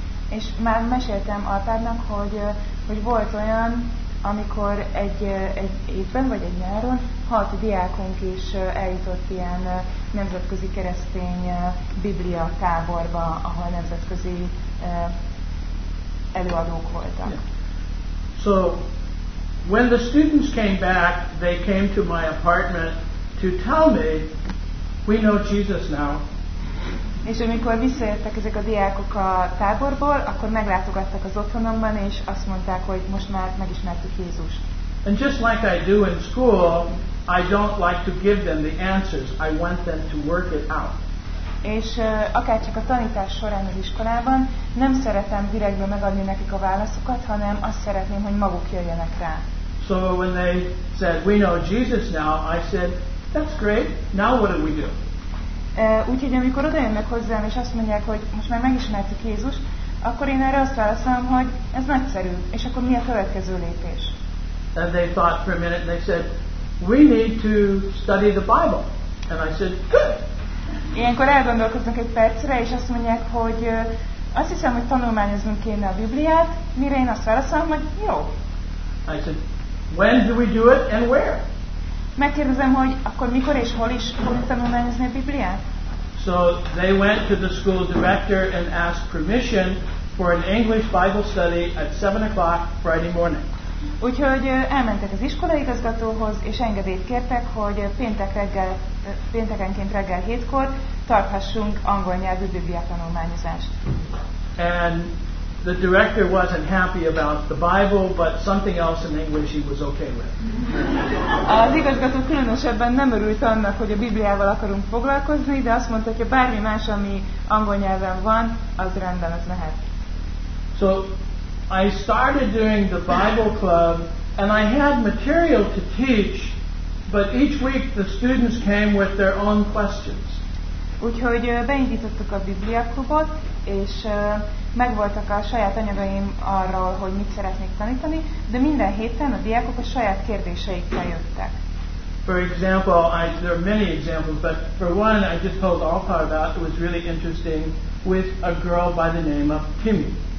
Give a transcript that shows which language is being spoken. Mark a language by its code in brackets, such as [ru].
[hu] És már meséltem Alpádnak, hogy volt olyan, amikor egy évben vagy egy nyáron hat diákunk is eljutott ilyen nemzetközi keresztény biblia táborba, ahol nemzetközi előadók voltak. [en] Yeah. So when the students came back, they came to my apartment to tell me, we know Jesus now. [hu] És amikor visszajöttek ezek a diákok a táborból, akkor meglátogattak az otthonomban, és azt mondták, hogy most már megismertük Jézust. [en] And just like I do in school, I don't like to give them the answers. I want them to work it out. [hu] És akárcsak a tanítás során az iskolában, nem szeretem direktbe megadni nekik a válaszokat, hanem azt szeretném, hogy maguk jöjjenek rá. [en] So when they said, we know Jesus now, I said, that's great, now what do we do? [hu] Úgyhogy amikor odajönnek hozzám, és azt mondják, hogy most már megismertük Jézust, akkor én erre azt válaszolom, hogy ez nagyszerű, és akkor mi a következő lépés? [en] And they thought for a minute, and they said, we need to study the Bible. And I said, good! [hu] Ilyenkor elgondolkoznak egy percre, és azt mondják, hogy azt hiszem, hogy tanulmányoznunk kéne a Bibliát, mire én azt válaszolom, hogy jó. [en] I said, when do we do it and where? [hu] Megkérdezem, hogy akkor mikor és hol is fogunk tanulmányozni a Bibliát? [en] So they went to the school director and asked permission for an English Bible study at 7 o'clock Friday morning. [hu] Úgyhogy elmentek az iskolaigazgatóhoz, és engedélyt kértek, hogy péntekenként reggel 7-kor tarthassunk angol nyelvű biblia tanulmányozást. [en] And the director wasn't happy about the Bible, but something else in English he was okay with. [hu] Az igazgató különösebben nem örült annak, hogy a Bibliával akarunk foglalkozni, de azt mondta, hogy bármi más, ami angol nyelven van, az rendben, az mehet. [en] So I started doing the Bible club, and I had material to teach, but each week the students came with their own questions. [hu] Úgyhogy beindítottuk a Biblia klubot, és megvoltak a saját anyagaim arról, hogy mit szeretnék tanítani, de minden héten a diákok a saját kérdéseikkel jöttek. [en] For example, there are many examples, but for one I just told Alpha about, it was really interesting, with a girl by the name of Kimmy.